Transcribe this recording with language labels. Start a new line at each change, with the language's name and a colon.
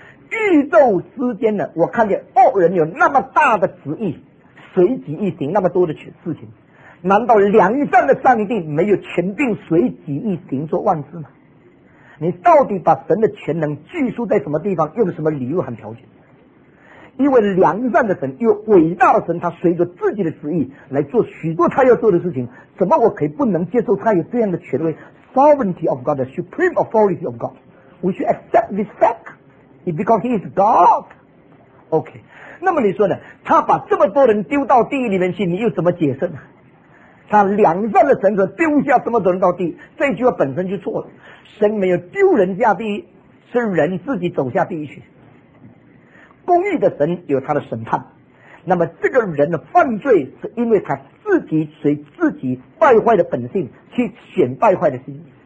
Chinese: 宇宙之间呢，我看见恶人有那么大的旨意，随旨意行那么多的事情，难道良善的上帝没有权定随旨意行做万事吗？你到底把神的权能拘束在什么地方，用什么理由和条件？因为良善的神，又伟大的神，他随着自己的旨意来做许多他要做的事情，怎么我可以不能接受他有这样的权威？
English: Sovereignty of God, the supreme authority of God, we should accept this fact because he is God.
Chinese: OK, 那么你说呢，他把这么多人丢到地狱里面去，你又怎么解释呢？他良善的神说丢下这么多人到地，这句话本身就错了。神没有丢人下地狱，是人自己走下地狱去。公义的神有他的审判，那么这个人的犯罪是因为他自己随自己败坏的本性去选败坏的心。